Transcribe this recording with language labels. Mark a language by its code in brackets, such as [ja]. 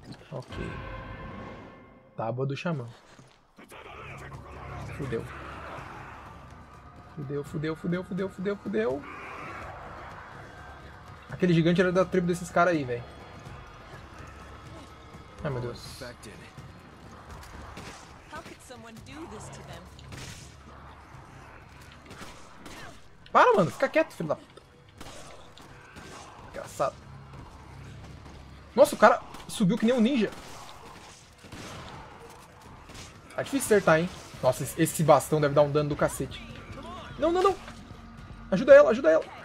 [pt] Ok. Tábua do Xamã. Fudeu. Fudeu, fudeu, fudeu, fudeu, fudeu, fudeu. Aquele gigante era da tribo desses caras aí, velho. Ai, meu Deus. [en] How could someone do this to them? [pt] Para, mano. Fica quieto, filho da puta. Engraçado. Nossa, o cara subiu que nem um ninja. Tá difícil acertar, hein? Nossa, esse bastão deve dar um dano do cacete. Não, não, não. Ajuda ela, ajuda ela.